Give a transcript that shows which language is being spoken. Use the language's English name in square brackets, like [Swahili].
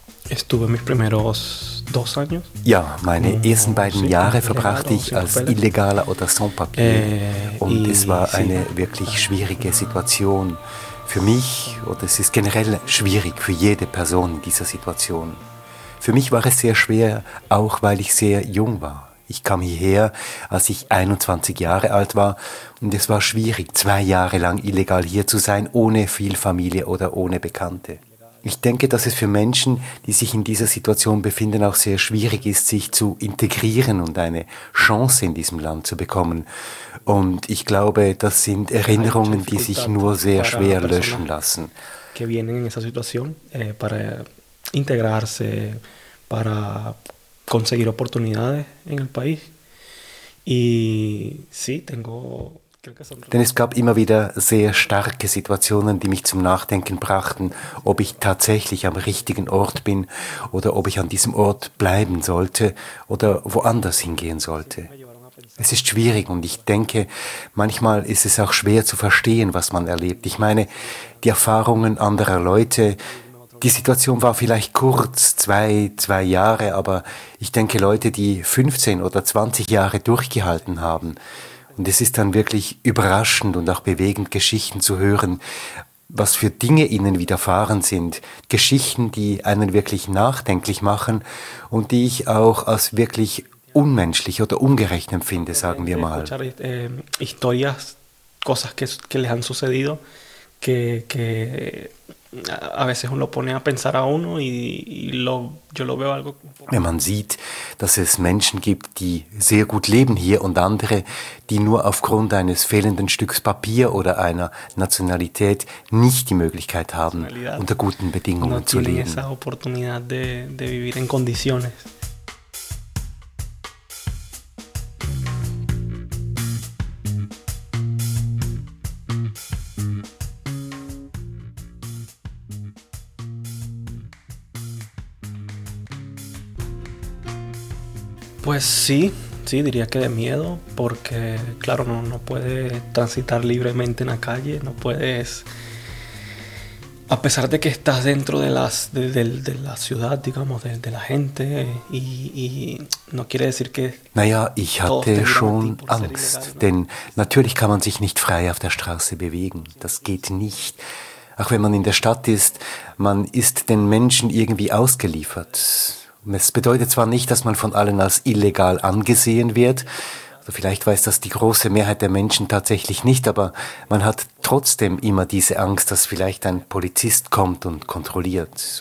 [Spanish] Estuve mis primeros dos años. [German] Ja, meine ersten beiden Jahre verbrachte ich als Illegaler oder Sans-Papier. Und es war eine wirklich schwierige Situation für mich. Und es ist generell schwierig für jede Person in dieser Situation. Für mich war es sehr schwer, auch weil ich sehr jung war. Ich kam hierher, als ich 21 Jahre alt war. Und es war schwierig, 2 Jahre lang illegal hier zu sein, ohne viel Familie oder ohne Bekannte. Ich denke, dass es für Menschen, die sich in dieser Situation befinden, auch sehr schwierig ist, sich zu integrieren und eine Chance in diesem Land zu bekommen. Und ich glaube, das sind Erinnerungen, die sich nur sehr schwer löschen lassen. [Spanish] Que vienen en esa situación para integrarse, para conseguir oportunidades en el país. Y sí, tengo. [German] Denn es gab immer wieder sehr starke Situationen, die mich zum Nachdenken brachten, ob ich tatsächlich am richtigen Ort bin oder ob ich an diesem Ort bleiben sollte oder woanders hingehen sollte. Es ist schwierig und ich denke, manchmal ist es auch schwer zu verstehen, was man erlebt. Ich meine, die Erfahrungen anderer Leute, die Situation war vielleicht kurz, 2 Jahre, aber ich denke, Leute, die 15 oder 20 Jahre durchgehalten haben, und es ist dann wirklich überraschend und auch bewegend, Geschichten zu hören, was für Dinge ihnen widerfahren sind. Geschichten, die einen wirklich nachdenklich machen und die ich auch als wirklich unmenschlich oder ungerecht empfinde, sagen wir mal. [Spanish] Historias, cosas que les han sucedido, que a veces uno pone a pensar a uno y lo, yo lo veo algo. [German] Wenn man sieht, dass es Menschen gibt, die sehr gut leben hier und andere, die nur aufgrund eines fehlenden Stücks Papier oder einer Nationalität nicht die Möglichkeit haben, unter guten Bedingungen zu leben. [Spanish] Esa oportunidad de vivir en condiciones. Pues sí, sí, diría que de miedo, porque claro, no puedes transitar libremente en la calle, no puedes, a pesar de que estás dentro de las de la ciudad, digamos, de la gente, y no quiere decir que. [German] Naja, ich hatte schon Angst, denn natürlich kann man sich nicht frei auf der Straße bewegen, das geht nicht. Auch wenn man in der Stadt ist, man ist den Menschen irgendwie ausgeliefert. Es bedeutet zwar nicht, dass man von allen als illegal angesehen wird, also vielleicht weiß das die große Mehrheit der Menschen tatsächlich nicht, aber man hat trotzdem immer diese Angst, dass vielleicht ein Polizist kommt und kontrolliert.